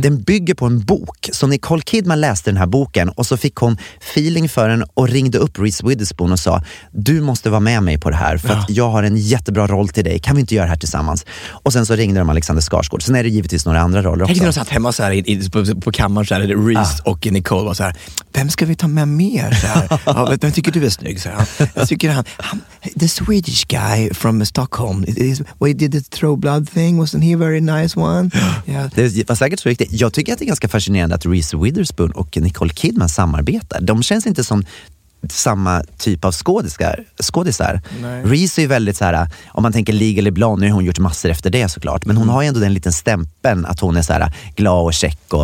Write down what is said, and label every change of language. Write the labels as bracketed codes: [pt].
[sv] Den bygger på en bok. Så Nicole Kidman läste den här boken och så fick hon feeling för den och ringde upp Reese Witherspoon och sa, du måste vara med mig på det här för att jag har en jättebra roll till dig. Kan vi inte göra det här tillsammans? Och sen så ringde de Alexander Skarsgård. Sen är det givetvis några andra roller också. Jag tänkte att de satt hemma så här på kammaren så här, Reese och Nicole var så här, vem ska vi ta med mer? Så här? Ja, vem tycker du är snygg? Så här. Jag tycker han, [en] the Swedish guy from Stockholm, he did the throw blood thing, wasn't he a very nice one? [sv] Yeah. Det var säkert så riktigt. Jag tycker att det är ganska fascinerande att Reese Witherspoon och Nicole Kidman samarbetar. De känns inte som samma typ av skådisar. Reese är ju väldigt så här, om man tänker Legally Blonde, nu har hon gjort massor efter det såklart, men hon har ju ändå den liten stämpeln att hon är så här glad och check och...